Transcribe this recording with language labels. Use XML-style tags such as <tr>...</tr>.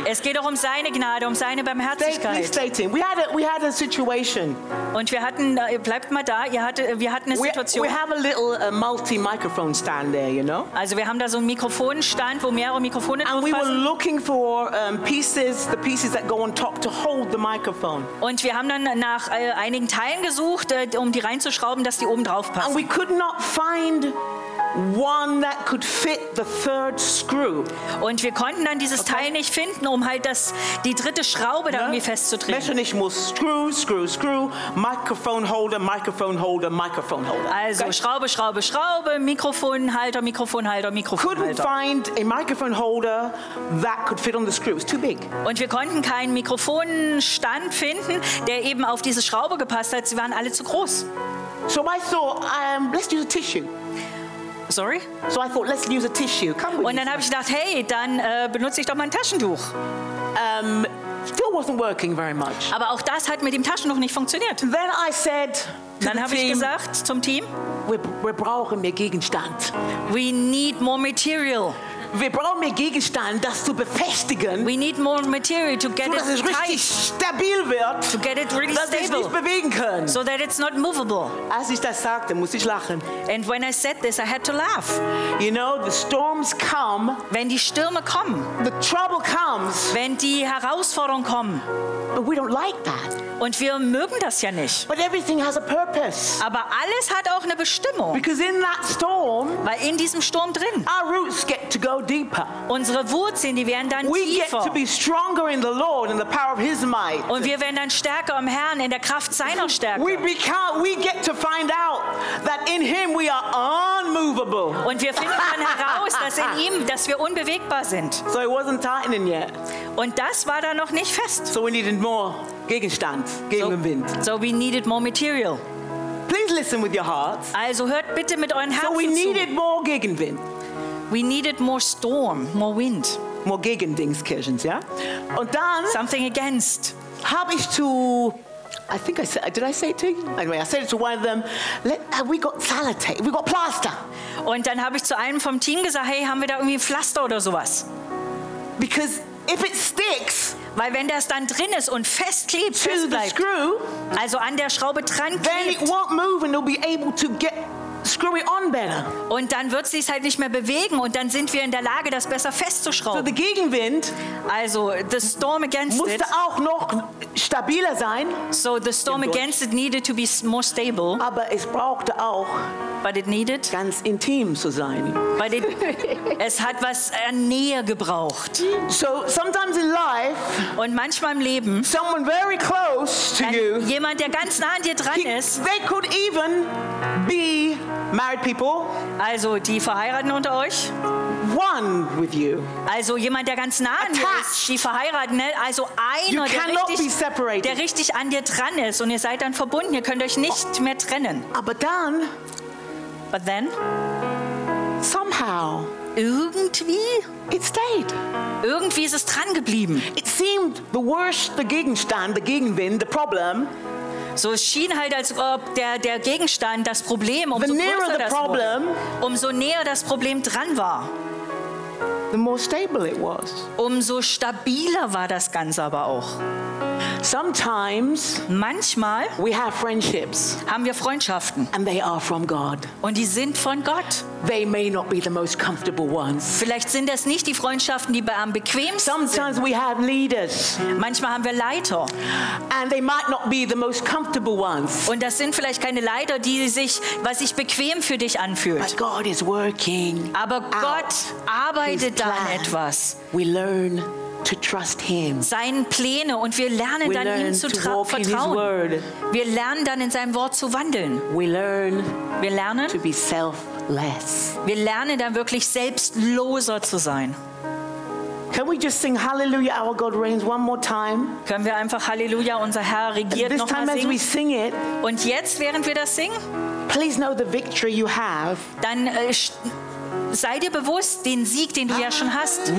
<de>Es geht auch seine Gnade, seine Barmherzigkeit.</de> <en>We had a situation.</en> <de>Und bleibt mal da, wir hatten eine Situation.</de> <en>We have a little multi-microphone stand there, you know?</en> <de>Also wir haben da so einen Mikrofonstand, wo mehrere Mikrofone drauf passen.</de> <en>And we were looking for the pieces that go on top to hold the microphone.</en> <de>Und wir haben dann nach einigen Teilen gesucht, die reinzuschrauben, dass die oben drauf passen.</de> <en>And we could not find one that could fit the third screw.</en> <de>Und wir konnten dann dieses Teil nicht finden, die dritte Schraube da irgendwie festzudrehen. Mechanisch muss</de> <en>screw, screw, screw, microphone holder, microphone holder, microphone holder.</en> <de>Also okay. Schraube, Schraube, Schraube, Mikrofonhalter, Mikrofonhalter, Mikrofonhalter.</de> <en>Couldn't find a microphone holder that could fit on the screw. It's too big. Und wir konnten keinen Mikrofonstand finden, der eben auf diese Schraube gepasst hat. Sie waren alle zu groß. So I thought, let's use a tissue. Sorry. So I thought, let's use a tissue. Come with</en> <de>Und dann habe ich gedacht, dann benutze ich doch mal ein Taschentuch.</de> <en>Still wasn't working very much.</en> <de>Aber auch das hat mit dem Taschentuch nicht funktioniert.</de> <en>Then I said,</en> <de>dann habe ich gesagt zum Team, wir brauchen mehr Gegenstand.</de> <en>We need more material.</en> <de>Wir brauchen mehr Gegenstand, das zu befestigen.</de> <en>We need more material to get</en> <de>so, dass</de> <en>it</en> <de>es</de> <en>tight,</en> <de>stabil wird.</de> <en>To get it really</en> <de>dass</de> <en>stable.</en> <de>Dass es nicht bewegen kann.</de> <en>So that it's not movable.</en> <de>Als ich das sagte, musste ich lachen.</de> <en>And when I said this, I had to laugh. You know, the storms come.</en> <de>Wenn die Stürme kommen.</de> <en>The trouble comes.</en> <de>Wenn die Herausforderungen kommen.</de> <en>But we don't like that.</en> <de>Und wir mögen das ja nicht.</de> <en>But everything has a purpose.</en> <de>Aber alles hat auch eine Bestimmung.</de> <en>Because in that storm,</en> <de>weil in diesem Sturm drin,</de> <en>our roots get to go deeper.</en> <de>Unsere Wurzeln, die werden dann</de> <en>we</en> <de>tiefer.</de> <en>We get to be stronger in the Lord in the power of His might.</en> <de>Und wir werden dann stärker im Herrn in der Kraft seiner Stärke.</de> <en>We get to find out that in Him we are unmovable.</en> <de>Und wir finden dann heraus, dass in ihm, dass wir unbewegbar sind.</de> <en>So it wasn't tightening yet.</en> <de>Und das war da noch nicht fest.</de> <en>So we needed more.</en> <de>Gegenstand gegen den Wind.</de> <en>So we needed more material. Please listen with your hearts.</en> <de>Also hört bitte mit euren Herzen zu.</de> <en>So we needed more Gegenwind. We needed more storm, more wind.</en> <de>More Gegendingskirchens, ja? Und dann</de> <en>something against.</en> <de>Habe ich zu</de> <en>I think I said, did I say it to you? Anyway, I said it to one of them. We got Sellotape. We got plaster.</en> <de>Und dann habe ich zu einem vom Team gesagt, haben wir da irgendwie ein Pflaster oder sowas?</de> <en>Because if it sticks,</en> <de>weil wenn das dann drin ist und festklebt, festbleibt,</de> <en>screw,</en> <de>also an der Schraube dran klebt,</de> <en>then it won't move and you'll be able to get screw it on better.</en> <de>Und dann wird sie es halt nicht mehr bewegen und dann sind wir in der Lage, das besser festzuschrauben.</de> <en>So the Gegenwind, also the storm against</en> <de>musste</de> <en>it,</en> <de>auch noch stabiler sein.</de> <en>So the storm against it needed to be more stable.</en> <de>Aber es brauchte auch,</de> <en>but it needed,</en> <de>ganz intim zu sein.</de> <en>But it,</en> <de>es hat was an Nähe gebraucht.</de> <en>So sometimes in life,</en> <de>und manchmal im Leben,</de> <en>someone very close to you,</en> <de>jemand, der ganz nah an dir dran ist,</de> <en>they could even be married people,</en> <de>also die Verheirateten unter euch,</de> <en>one with you,</en> <de>also jemand, der ganz nah an dir ist, die Verheirateten, also einer, der richtig an dir dran ist, und ihr seid dann verbunden, ihr könnt euch nicht mehr trennen. Aber dann,</de> <en>but then, somehow,</en> <de>irgendwie,</de> <en>it stayed.</en> <de>Irgendwie ist es dran geblieben.</de> <en>It seemed the worst, the Gegenstand, the Gegenwind, the problem.</en> <de>So es schien halt, als ob der Gegenstand, das Problem, umso größer das</de> <en>problem,</en> <de>wurde, umso näher das Problem dran war,</de> <en>the more stable it was,</en> <de>umso stabiler war das Ganze aber auch.</de> <en>Sometimes,</en> <de>manchmal,</de> <en>we have friendships,</en> <de>haben wir Freundschaften,</de> <en>and they are from God,</en> <de>und die sind von Gott.</de> <en>They may not be the most comfortable ones.</en> <de>Vielleicht sind das nicht die Freundschaften, die am bequemsten.</de> <en>Sometimes</en> <de>sind.</de> <en>We have leaders.</en> <de>Manchmal haben wir Leiter,</de> <en>and they might not be the most comfortable ones.</en> <de>Und das sind vielleicht keine Leiter, die sich, was sich bequem für dich anfühlt.</de> <en>But God is working.</en> <de>Aber Gott arbeitet da an etwas.</de> <en>We learn to trust him.</en> <de>Seine Pläne, und wir lernen</de> <en>we</en> <de>dann</de> <en>learn</en> <de>ihm zu vertrauen. Wir lernen dann in seinem Wort zu wandeln.</de> <en>We learn,</en> <de>wir lernen</de> <en>to be selfless.</en> <de>Wir lernen dann wirklich selbstloser zu sein.</de> <en>Can we just sing Hallelujah, our God reigns one more time?</en> <de>Können wir einfach Hallelujah, unser Herr regiert noch mal singen?</de> <en>This time as we sing it.</en> <de>Und jetzt während wir das singen?</de> <en>Please know the victory you have.</en> <de>Dann sei dir bewusst, den Sieg, den du ja schon hast.</de>